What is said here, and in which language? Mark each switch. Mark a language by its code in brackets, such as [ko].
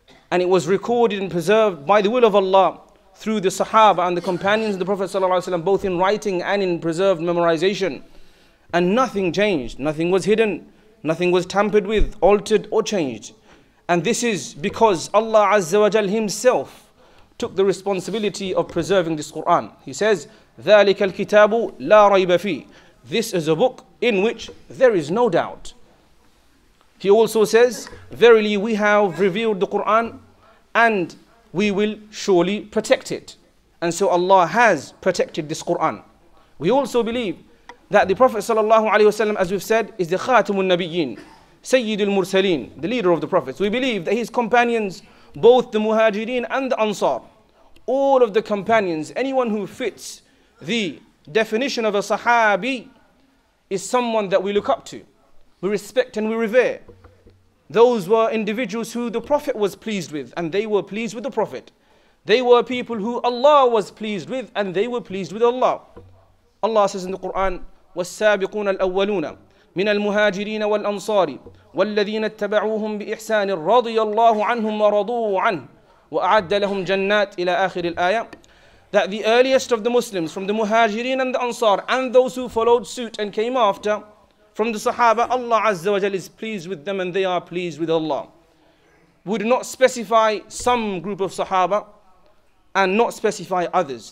[en] And it was recorded and preserved by the will of Allah through the Sahaba and the companions of the Prophet ﷺ, both in writing and in preserved memorization. And nothing changed, nothing was hidden, nothing was tampered with, altered or changed. And this is because Allah Azza wa Jal himself took the responsibility of preserving this Quran. He says, [ar] ذَلِكَ الْكِتَابُ لَا رَيْبَ فِيهِ. [en] This is a book in which there is no doubt. He also says, verily we have revealed the Quran and we will surely protect it. And so Allah has protected this Quran. We also believe that the Prophet sallallahu alaihi wasallam, as we've said, is the Khatimul Nabiyyin, Sayyidul Mursaleen, the leader of the prophets. We believe that his companions, both the Muhajireen and the Ansar, all of the companions, anyone who fits the definition of a Sahabi is someone that we look up to. We respect and we revere. Those were individuals who the Prophet was pleased with, and they were pleased with the Prophet. They were people who Allah was pleased with, and they were pleased with Allah. Allah says in the Quran, [ar] وَالسَّابِقُونَ الْأَوَّلُونَ مِنَ الْمُهَاجِرِينَ وَالْأَنصَارِ وَالَّذِينَ اتَّبَعُوهُمْ بِإِحْسَانٍ رَضِيَ اللَّهُ عَنْهُمْ وَرَضُوهُ عَنْهُ وَأَعَدَّ لَهُمْ جَنَّاتٍ إِلَى آخِرِ الْآيَةِ. [en] That the earliest of the Muslims, from the Muhajirin and the Ansar, and those who followed suit and came after, from the Sahaba, Allah Azza wa Jal is pleased with them and they are pleased with Allah. We do not specify some group of Sahaba and not specify others.